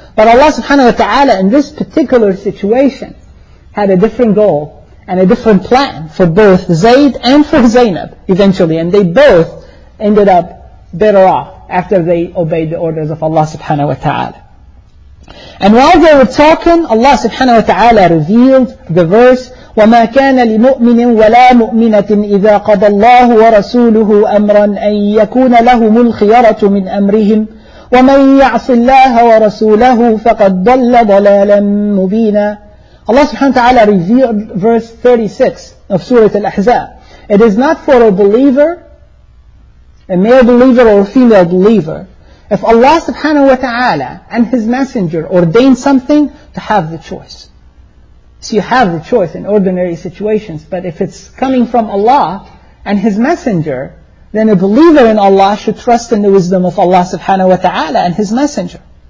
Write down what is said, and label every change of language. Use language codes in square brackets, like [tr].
[en] But Allah subhanahu wa ta'ala in this particular situation had a different goal and a different plan for both Zayd and for Zaynab eventually. And they both ended up better off after they obeyed the orders of Allah subhanahu wa ta'ala. And while they were talking, Allah subhanahu wa ta'ala revealed the verse, [ar] وَمَا كَانَ لِمُؤْمِنٍ وَلَا مُؤْمِنَةٍ إِذَا قَضَى اللَّهُ وَرَسُولُهُ أَمْرًا أَن يَكُونَ لَهُمُ الْخِيَرَةُ مِنْ أَمْرِهِمْ وَمَن يَعْصِ اللَّهَ وَرَسُولَهُ فَقَدْ ضَلَّ ضَلَالًا مُبِينًا [en] Allah subhanahu wa ta'ala revealed verse 36 of Surah Al-Ahzab. It is not for a believer, a male believer or a female believer, if Allah subhanahu wa ta'ala and His Messenger ordain something, to have the choice. So you have the choice in ordinary situations, but if it's coming from Allah and His Messenger, then a believer in Allah should trust in the wisdom of Allah subhanahu wa ta'ala and His Messenger.